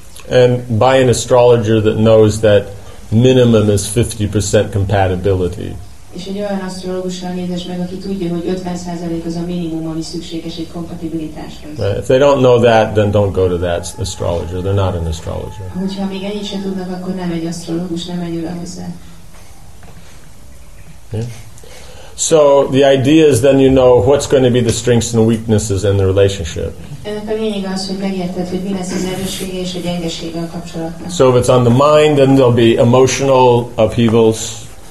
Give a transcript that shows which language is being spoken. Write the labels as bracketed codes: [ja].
[en] And by an astrologer that knows that minimum is 50% compatibility. [hu] És egy olyan asztrológussal nézes meg, aki tudja, hogy 50% az a minimum, ami szükséges egy kompatibilitáshoz. [en] If they don't know that, then don't go to that astrologer. They're not an astrologer. [hu] Hogyha még ennyit sem tudnak, akkor nem egy asztrológus, nem menjél oda hozzá. [en] So the idea is then you know what's going to be the strengths and weaknesses in the relationship. [hu] Ennek a lényeg az, hogy megérted, hogy mi lesz az erőssége és a gyengesége a kapcsolatnak. [en] So if it's on the mind, then there'll be emotional upheavals.